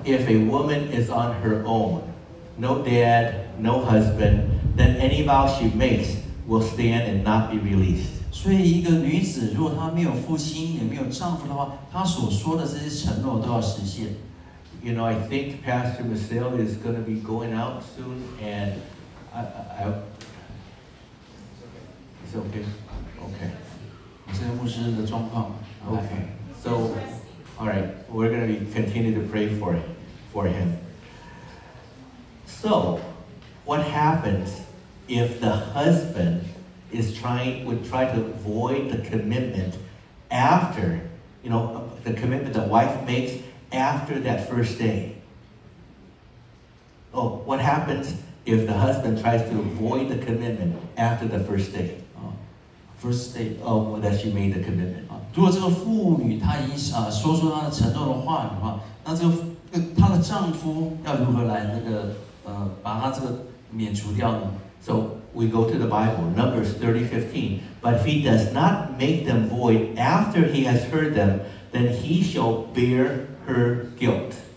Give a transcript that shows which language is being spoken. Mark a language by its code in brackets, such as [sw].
[en] If a woman is on her own, no dad, no husband, then any vow she makes will stand and not be released. [zh] 所以一个女子如果她没有父亲也没有丈夫的话，她所说的这些承诺都要实现。 [en] You know, I think Pastor Michelle is going to be going out soon, and It's okay. So, all right, we're going to continue to pray for him. So, what happens if the husband is trying, would try to void the commitment after, you know, the commitment the wife makes after that first day? Oh, what happens if the husband tries to avoid the commitment after the first day? That she made the commitment. [zh] 如果这个妇女她已经说出她的承诺的话的话，那这个她的丈夫要如何来那个把她这个免除掉呢？ [en] So we go to the Bible, Numbers 30:15. But if he does not make them void after he has heard them, then he shall bear her guilt.